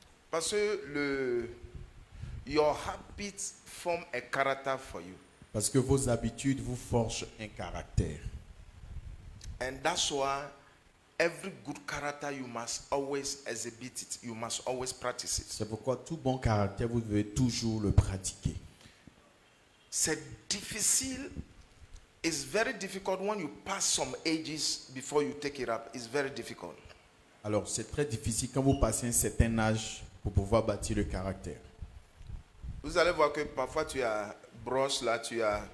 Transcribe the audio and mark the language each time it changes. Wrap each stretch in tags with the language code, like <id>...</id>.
<fr>Parce que le</fr> <en>your habits form a character for you.</en> <fr>Parce que vos habitudes vous forgent un caractère.</fr> <en>And that's why every good character you must always exhibit it. You must always practice it.</en> <fr>C'est pourquoi tout bon caractère vous devez toujours le pratiquer. C'est difficile.</fr> <en>It's very difficult when you pass some ages before you take it up. It's very difficult.</en> <fr>Alors c'est très difficile quand vous passez un certain âge pour pouvoir bâtir le caractère. Vous allez voir que parfois tu as brosse là, tu as</fr>